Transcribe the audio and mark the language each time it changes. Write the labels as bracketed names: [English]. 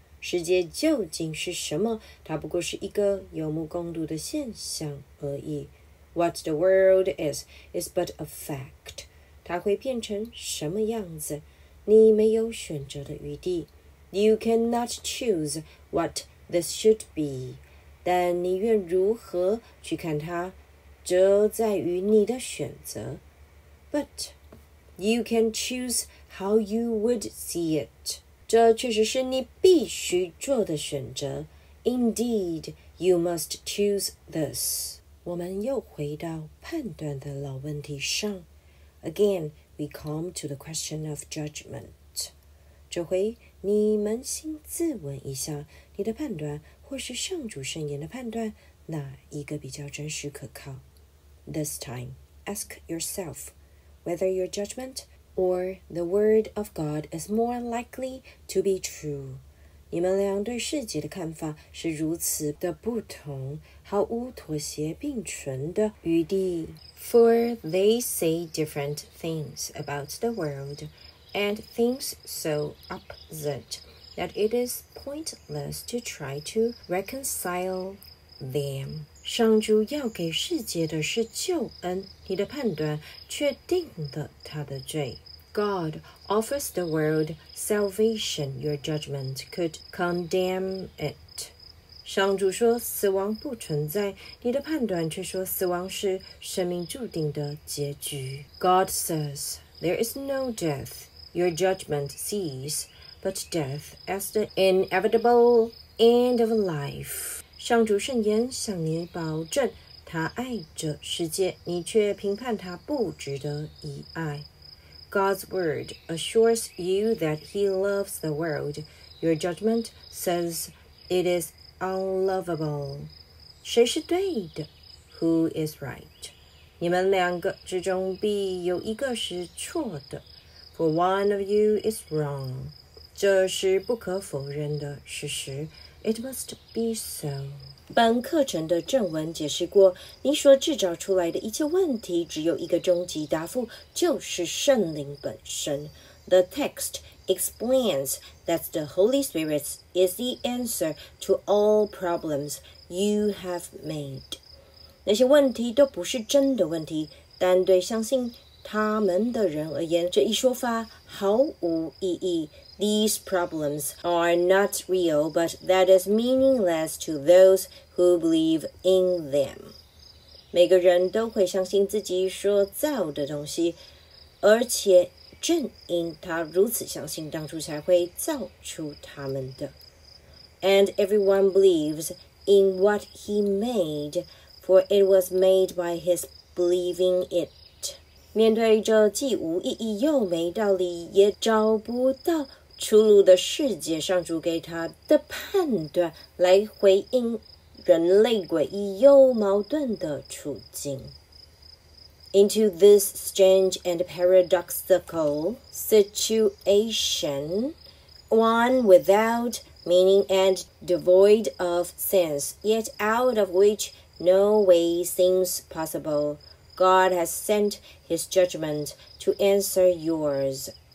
[Chinese] 世界究竟是什么？它不过是一个有目共睹的现象而已。 [English] What the world is but a fact. [Chinese] 它会变成什么样子？你没有选择的余地。 [English] You cannot choose what this should be. [Chinese] 但你愿如何去看它，则在于你的选择。 [English] But you can choose how you would see it. [Chinese] 这确实是你必须做的选择。 [English] Indeed, you must choose this. [Chinese] 我们又回到判断的老问题上。 [English] Again,We come to the question of judgment. [Chinese] 这回你扪心自问一下，你的判断或是上主圣言的判断，哪一个比较真实可靠？ [English] This time, ask yourself whether your judgment or the word of God is more likely to be true. [Chinese] 你们俩对世界的看法是如此的不同，毫无妥协并存的余地。 [English] For they say different things about the world, and things so opposite that it is pointless to try to reconcile them. [Chinese] 上主要给世界的是救恩，你的判断却定了他的罪。 [English] God offers the world salvation, your judgment could condemn it. [Chinese] 上主说死亡不存在，你的判断却说死亡是生命注定的结局。 [English] God says, there is no death. Your judgment sees, but death as the inevitable end of life. [Chinese] 上主圣言向你保证他爱着世界，你却评判他不值得一爱。 [English] God's word assures you that he loves the world. Your judgment says it is unlovable. [Chinese] 谁是对的？ [English] Who is right? [Chinese] 你们两个之中必有一个是错的。 [English] For one of you is wrong. [Chinese] 这是不可否认的事实。 [English] It must be so. [Chinese] 本课程的正文解释过，你所制造出来的一切问题只有一个终极答复，就是圣灵本身。 [English] The text explains that the Holy Spirit is the answer to all problems you have made. [Chinese] 那些问题都不是真的问题，但对相信他们的人而言，这一说法毫无意义。 [English] These problems are not real, but that is meaningless to those who believe in them. [Chinese] 每个人都会相信自己所造的东西，而且正因他如此相信，当初才会造出他们的。 [English] And everyone believes in what he made, for it was made by his believing it. [Chinese] 面对这既无意义又没道理，也找不到出路的世界，上主给他的判断来回应人类诡异又矛盾的处境。 [English] Into this strange and paradoxical situation, one without meaning and devoid of sense, yet out of which no way seems possible, God has sent his judgment to answer yours.